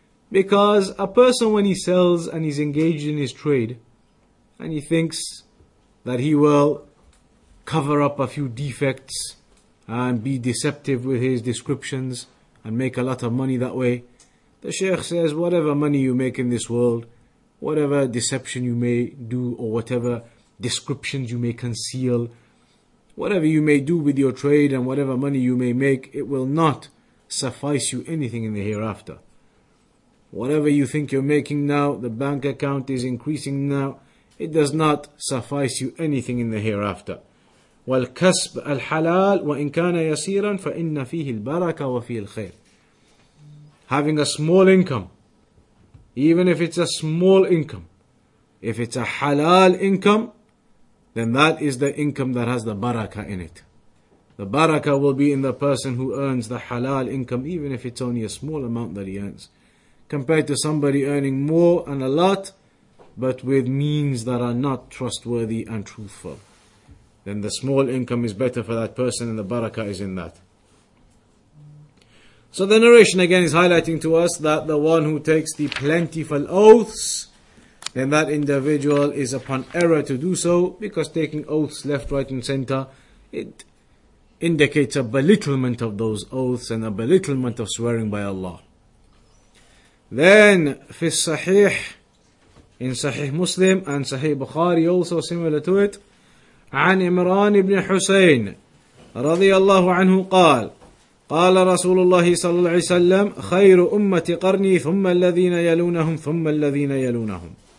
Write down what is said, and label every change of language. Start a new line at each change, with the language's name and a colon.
English: Because a person when he sells and he's engaged in his trade, and he thinks that he will cover up a few defects and be deceptive with his descriptions and make a lot of money that way, the Shaykh says, whatever money you make in this world, whatever deception you may do or whatever descriptions you may conceal, whatever you may do with your trade and whatever money you may make, it will not suffice you anything in the hereafter. Whatever you think you're making now, the bank account is increasing now, it does not suffice you anything in the hereafter.
Arabic: والكسب الحلال وإن كان يسيرا فإن فيه البركة وفي الخير.
English: Having a small income, even if it's a small income, if it's a halal income, then that is the income that has the barakah in it. The barakah will be in the person who earns the halal income, even if it's only a small amount that he earns, compared to somebody earning more and a lot, but with means that are not trustworthy and truthful. Then the small income is better for that person, and the barakah is in that. So the narration again is highlighting to us that the one who takes the plentiful oaths, then that individual is upon error to do so, because taking oaths left, right and center, it indicates a belittlement of those oaths and a belittlement of swearing by Allah.
Arabic: Then, في الصحيح,
English: in Sahih Muslim and Sahih Bukhari, also similar to it,
Arabic: عن إمران بن حسين رضي الله عنه قال قال رسول الله صلى الله عليه وسلم خير أمة قرني ثم الذين يلونهم ثم الذين يلونهم.